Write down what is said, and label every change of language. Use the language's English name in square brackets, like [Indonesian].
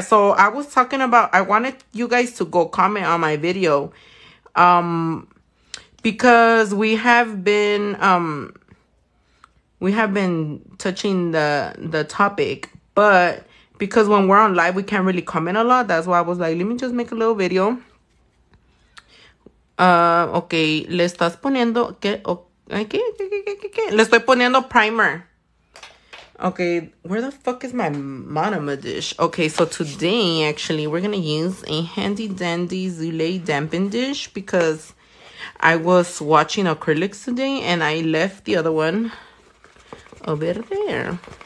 [English] So I was talking about I wanted you guys to go comment on my video because we have been touching the topic. But because when we're on live, we can't really comment a lot. That's why I was like, let me just make a little video. Okay. [Spanish] Le estás poniendo que le estoy poniendo primer. [English] Okay, where the fuck is my monomer dish? Okay, so today, actually, we're going to use a handy-dandy Zuley dampen dish because I was watching acrylics today and I left the other one over there.